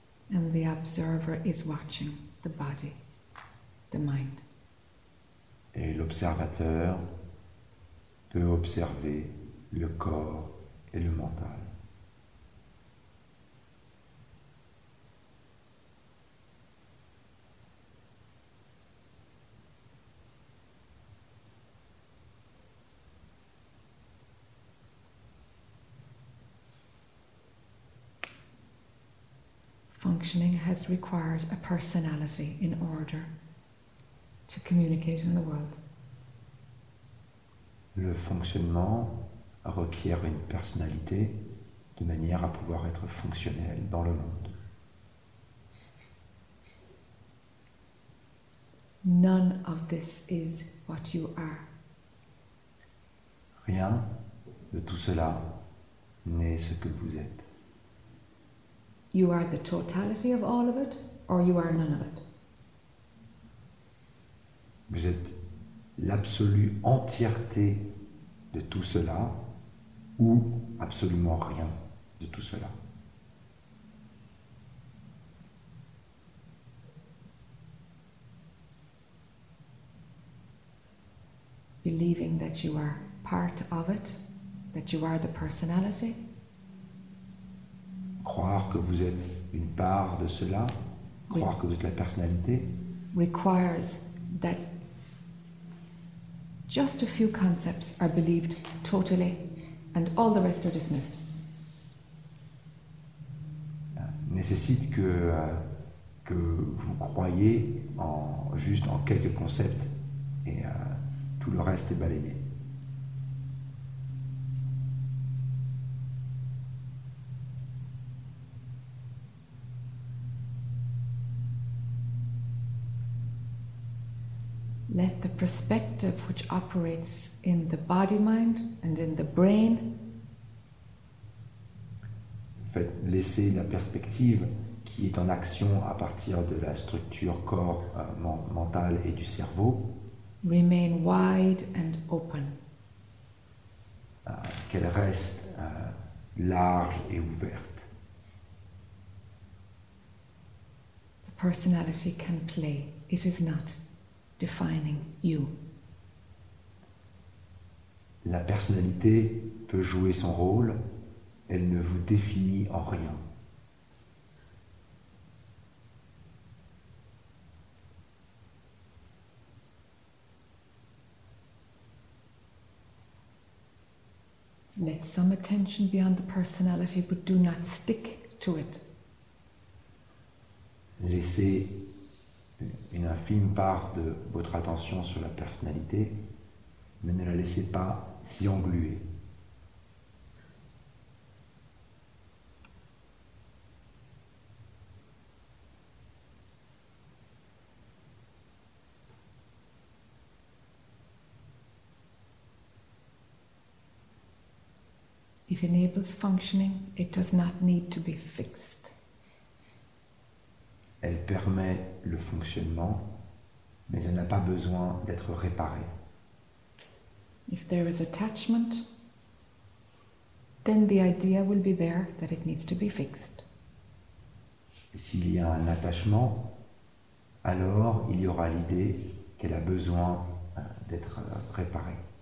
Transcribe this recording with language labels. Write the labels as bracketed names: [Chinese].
[English] And the observer is watching the body, the mind. [French] Et l'observateur peut observer le corps et le mental. [English] Functioning has required a personality in order to communicate in the world. [French] Le fonctionnement requiert une personnalité de manière à pouvoir être fonctionnel dans le monde. [English] None of this is what you are. [French] Rien de tout cela n'est ce que vous êtes. [English] You are the totality of all of it, or you are none of it. [French] Vous êtes l'absolue entièreté de tout cela, ou absolument rien de tout cela. [English] Believing that you are part of it, that you are the personality. [French] Croire que vous êtes une part de cela, croire que vous êtes la personnalité, [English] requires that just a few concepts are believed totally and all the rest are dismissed. [French] Nécessite que vous croyez en juste en quelques concepts et tout le reste est balayé. [English] Let the perspective which operates in the body-mind and in the brain. [French] Laissez la perspective qui est en action à partir de la structure corps, mental et du cerveau. [English] Remain wide and open. [French] Qu'elle reste large et ouverte. [English] personality can play. It is not defining you. [French] La personnalité peut jouer son rôle, elle ne vous définit en rien. [English] Let some attention be on the personality, but do not stick to it. [French] Laissez une infime part de votre attention sur la personnalité, mais ne la laissez pas s'y engluer. [English] It enables functioning, it does not need to be fixed. [French] Elle permet le fonctionnement, mais elle n'a pas besoin d'être réparée. [English] If there is attachment, then the idea will be there that it needs to be fixed. [French] S'il y a un attachement, alors il y aura l'idée qu'elle a besoin d'être réparée.